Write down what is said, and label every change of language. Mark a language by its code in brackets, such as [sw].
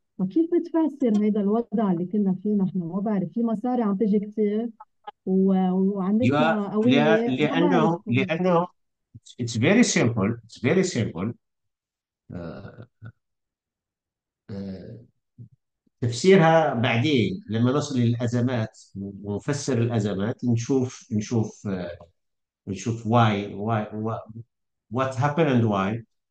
[ar] فكيف بتفسر هذا الوضع اللي كنا فيه نحن؟ ما بعرف، في مصاري عم تجي كثير يا وعندنا أولياء، ما بعرف. لأنه [en] it's very simple, it's very simple. [ar] تفسيرها بعدين لما نصل للأزمات ونفسر الأزمات، نشوف نشوف [en] Why why what happen and why.